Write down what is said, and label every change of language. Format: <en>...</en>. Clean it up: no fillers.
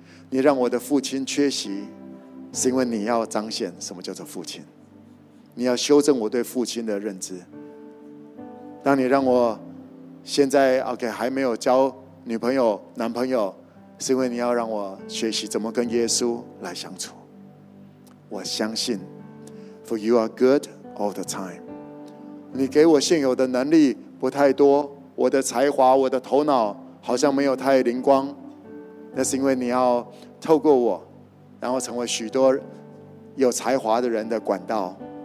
<zh>你让我的父亲缺席，是因为你要彰显什么叫做父亲，你要修正我对父亲的认知。当你让我现在 OK 还没有交女朋友男朋友，是因为你要让我学习怎么跟耶稣来相处。我相信</zh> <en>For you are good all the time。</en> <zh>你给我现有的能力不太多，我的才华，我的头脑好像没有太灵光，那是因为你要透过我，然后成为许多有才华的人的管道。</zh>